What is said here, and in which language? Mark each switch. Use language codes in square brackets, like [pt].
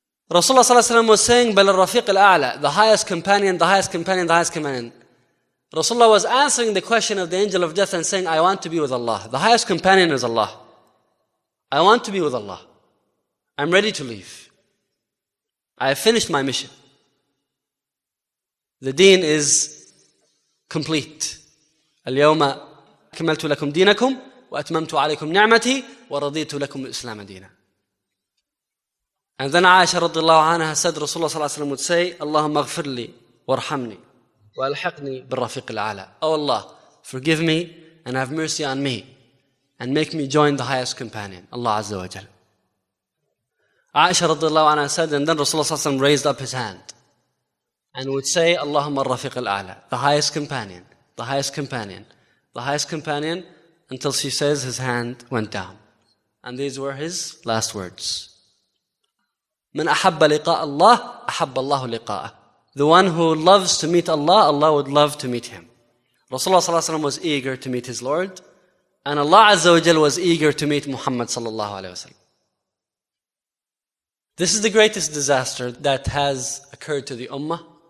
[en] Rasulullah ﷺ was saying, [ar] بَلَ الرَّفِيقِ الْأَعْلَى, [en] the highest companion, the highest companion, the highest companion. Rasulullah was answering the question of the angel of death and saying, I want to be with Allah. The highest companion is Allah. I want to be with Allah. I'm ready to leave. I have finished my mission. The deen is complete. [ar] اليوم أكملت لكم دينكم وأتممت عليكم نعمتي ورضيت لكم الإسلام دينا. [en] And then Aisha radiallahu anha said, Rasulullah صلى الله عليه وسلم would say, Allahumma [ar] اغفر لي وارحمني والحقني بالرفيق الأعلى. [en] Oh Allah, forgive me and have mercy on me and make me join the highest companion, Allah عز وجل. Aisha radiallahu anha said, and then Rasulullah صلى الله عليه وسلم raised up his hand and would say, Allahumma [ar] الرفيق الأعلى, [en] the highest companion, the highest companion, the highest companion, until she says his hand went down. And these were his last words. [ar] من أحب لقاء الله أحب الله لقاءه. [en] The one who loves to meet Allah, Allah would love to meet him. Rasulullah صلى الله عليه وسلم was eager to meet his Lord, and Allah عزّ وجل was eager to meet Muhammad صلى الله عليه وسلم. This is the greatest disaster that has occurred to the Ummah.